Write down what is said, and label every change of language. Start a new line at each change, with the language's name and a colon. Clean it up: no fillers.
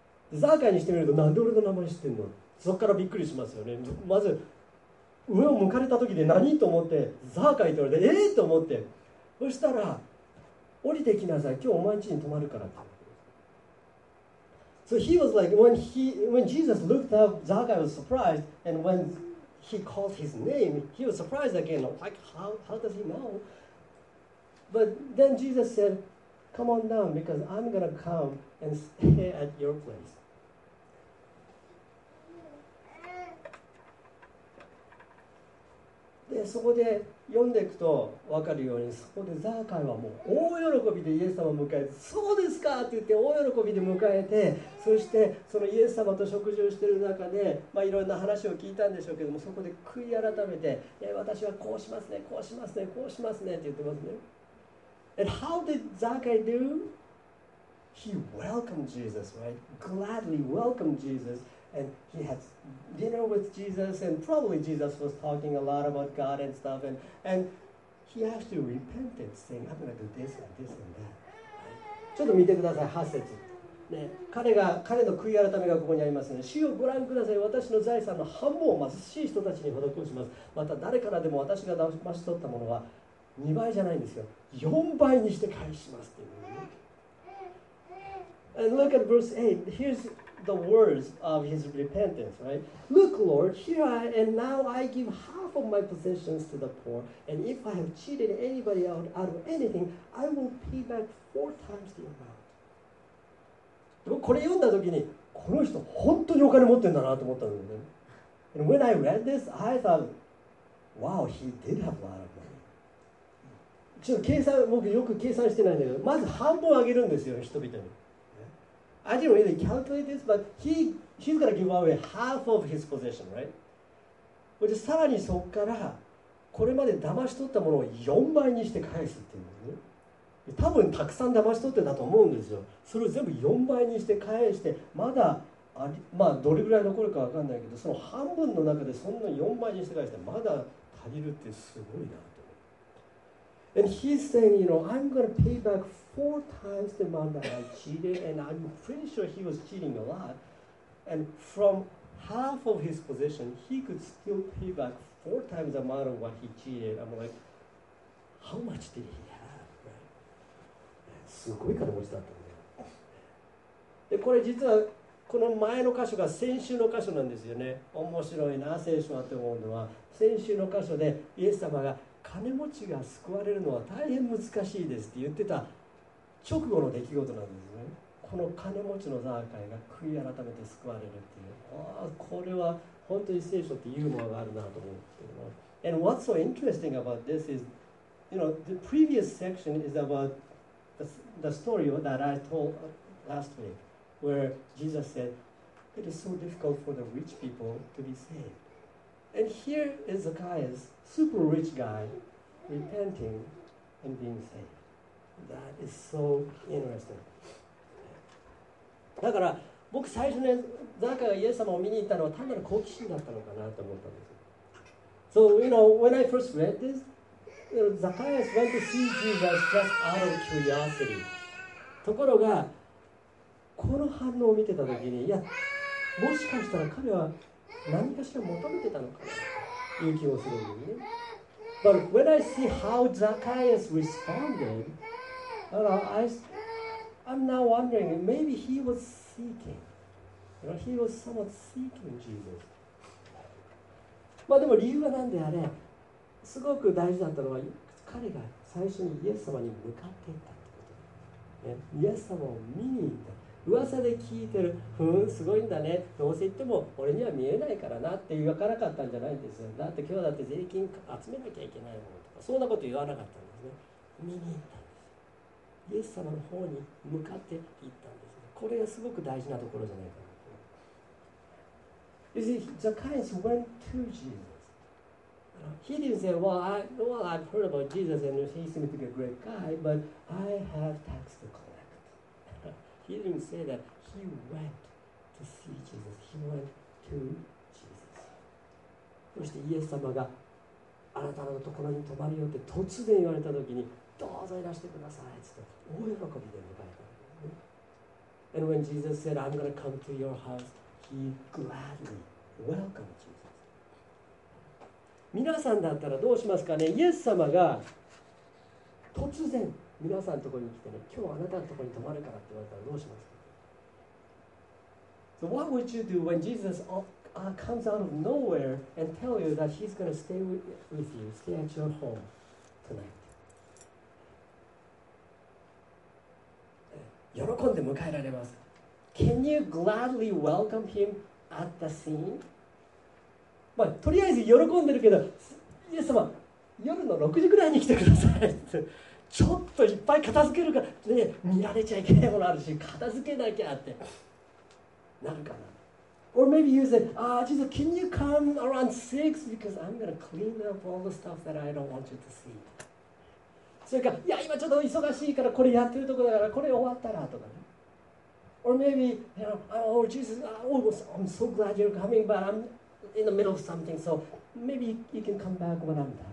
Japanese: で、ザーカイにしてみると、なんで俺の名前知ってんの？そこからびっくりしますよね。まず、上を向かれた時で何と思って、ザーカイと言われて、と思って。そしたら、降りてきなさい。今日お前家に泊まるからって。
English: So he was like, when Jesus looked up, Zacchaeus was surprised, and when he called his name, he was surprised again, like, how does he know? But then Jesus said, come on down, because I'm going to come and stay at your place. で、
Japanese: でそこで読んでいくと分かるように、そこでザーカイはもう大喜びでイエス様を迎えて、そうですかって言って大喜びで迎えて、そしてそのイエス様と食事をしている中で、まあ、いろんな話を聞いたんでしょうけども、そこで悔い改めて、私はこうしますね、こうしますね、こうしますねって言ってますね。
English: And how did Zakai do? He welcomed Jesus, right? Gladly welcomed Jesus. And he had dinner with Jesus, and probably Jesus was talking a lot about God and stuff. And he actually repented, saying, I'm going to do this and this and that.
Japanese: ちょっと見てください、8節、ね、彼の悔い改めがここにありますね。主をご覧ください、私の財産の半分を貧しい人たちに施します。また誰からでも私が騙し取ったものは2倍じゃないんですよ。 4倍にして返しますっていう、ね。
English: And look at verse 8. Here's... The words of his repentance, right? Look, Lord, here I am, and now I give half of my possessions to the poor, and if I have cheated anybody out of anything, I will pay back four times the amount.
Japanese: これ読んだ時に、この人本当にお金持ってんだなと思ったんだよね。
English: And when I read this, I thought, wow, he did have a lot of money.
Japanese: ちょっと計算、僕よく計算してないんだけど、まず半分あげるんですよ、人々に。
English: I didn't really calculate this, but he's going to give away half of his possession, right?
Japanese: でさらにそこからこれまで騙し取ったものを4倍にして返すっていうのね。多分たくさん騙し取ってたと思うんですよ。それを全部4倍にして返して、まだまあどれぐらい残るか分かんないけど、その半分の中でそんな4倍にして返して、まだ足りるってすごいなと。
English: And he's saying, you know, I'm going to pay back four times the amount that I cheated, and I'm pretty sure he was cheating a lot. And from half of his possession, he could still pay back four times the amount of what he cheated. I'm like, how much did he have?
Japanese: すごい金持ちだったんだよ。で、これ実はこの前の箇所が先週の箇所なんですよね。面白いな、聖書はって思うのは、先週の箇所でイエス様が金持ちが救われるのは大変難しいですって言ってた直後の出来事なんですね。この金持ちのザーカイが悔い改めて救われるっていう、これは本当に聖書ってユーモアがあるなと思って。
English: And what's so interesting about this is, you know, the previous section is about the story that I told last week, where Jesus said, it is so difficult for the rich people to be saved. And here is Zacchaeus, super rich guy, repenting and being saved. That is so interesting.
Japanese: だから僕最初ね、ザーカイがイエス様を見に行ったのは単なる好奇心だったのかなと思ったんです。
English: So, you know, when I first read this, you know, Zacchaeus went to see Jesus just out of curiosity.
Japanese: ところが、この反応を見てた時に、いや、もしかしたら彼は何かしら求めてたのかという気をするんですね。
English: But when I see how Zacchaeus responded, I'm now wondering, maybe he was seeking. You know, he was somewhat seeking Jesus.
Japanese: まあでも理由は何であれ、すごく大事だったのは、彼が最初にイエス様に向かっていったってこと。イエス様を見に行った。噂で聞いてる、すごいんだね、どうせ言っても俺には見えないからなって言わなかったんじゃないんですよ。だって今日だって税金集めなきゃいけないものとか、そんなこと言わなかったんですね。見に行ったんです。イエス様の方に向かって行ったんです、ね。これがすごく大事なところじゃないかなと。
English: You see, Zacchaeus went to Jesus. He didn't say, I've heard about Jesus and he seems to be a great guy, but I have tax to collect. He didn't say that he went to see Jesus. He went to Jesus.
Japanese: そしてイエス様があなたのところに泊まるよって突然言われたときに、どうぞいらしてくださいって大喜びで迎えた。
English: And when Jesus said, I'm going to come to your house, he gladly welcomed Jesus.
Japanese: 皆さんだったらどうしますかね。イエス様が突然皆さんのところに来てね、今日あなたのところに泊まるからって言われたらどうしますか。
English: So what would you do when Jesus comes out of nowhere and tell you that he's going to stay with you, stay at your home tonight?
Japanese: 喜んで迎えられます。
English: Can you gladly welcome him at the scene?
Japanese: まあ、とりあえず喜んでるけど、イエス様、夜の6時くらいに来てくださいって、ちょっといっぱい片付けるから、ね、見られちゃいけないものあるし、片付けなきゃってなるかな。
English: Or maybe you say, ah, Jesus, can you come around 6 because I'm going to clean up all the stuff that I don't want you to see.
Japanese: それか、いや、今ちょっと忙しいから、これやってるところだから、これ終わったらとかね。
English: Or maybe, you know, oh, Jesus, oh, I'm so glad you're coming, but I'm in the middle of something, so maybe you can come back when I'm done.